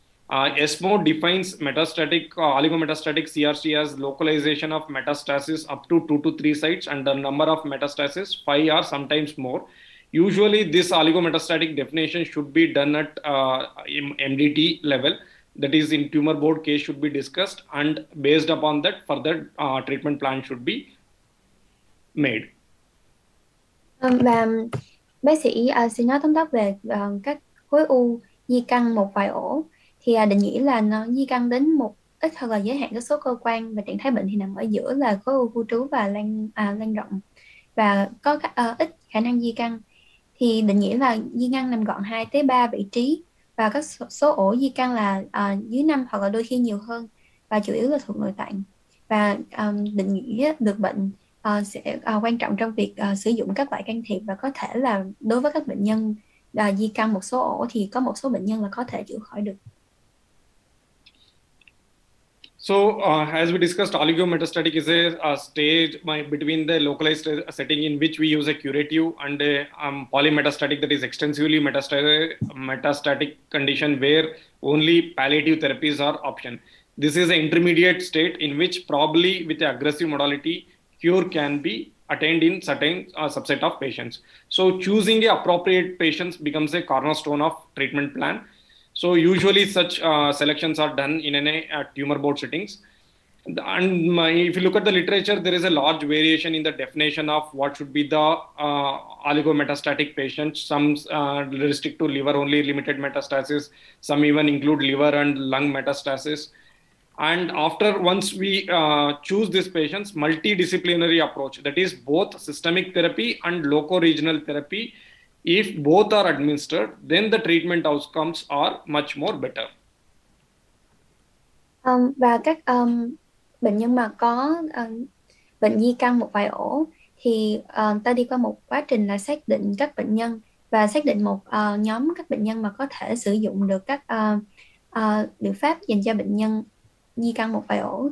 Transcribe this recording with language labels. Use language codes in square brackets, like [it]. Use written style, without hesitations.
[en] ESMO defines oligometastatic CRC as localization of metastasis up to 2 to 3 sites and the number of metastasis, 5 or sometimes more. Usually, this oligometastatic definition should be done at MDT level, that is, in tumor board case should be discussed, and based upon that, further treatment plan should be made. [vi] Và bác sĩ sẽ nói tóm tắt về các khối u di căn một vài ổ, thì định nghĩa là nó di căn đến một ít hoặc là giới hạn các số cơ quan và trạng thái bệnh thì nằm ở giữa là khối u khu trú và lan rộng và có các ít khả năng di căn, thì định nghĩa là di căn nằm gọn 2 tới 3 vị trí và các số ổ di căn là dưới 5 hoặc là đôi khi nhiều hơn và chủ yếu là thuộc nội tạng. Và định nghĩa được bệnh sẽ quan trọng trong việc sử dụng các loại can thiệp, và có thể là đối với các bệnh nhân di căn một số ổ thì có một số bệnh nhân là có thể chữa khỏi được. [en] As we discussed, oligometastatic is a stage between the localized setting in which we use a curative and a polymetastatic, that is extensively metastatic condition where only palliative therapies are option. This is an intermediate state in which probably with the aggressive modality, cure can be attained in certain subset of patients. So choosing the appropriate patients becomes a cornerstone of treatment plan. So usually such selections are done in a tumor board settings. And if you look at the literature, there is a large variation in the definition of what should be the oligometastatic patient. Some restrict to liver only limited metastasis. Some even include liver and lung metastasis. And after once we choose these patients, multidisciplinary approach, that is both systemic therapy and loco-regional therapy, if both are administered, then the treatment outcomes are much more better. [vi] Và các bệnh nhân mà có bệnh di căn một vài ổ thì ta đi qua một quá trình là xác định các bệnh nhân và xác định một nhóm các bệnh nhân mà có thể sử dụng được các liệu pháp dành cho bệnh nhân di căn một vài ổ.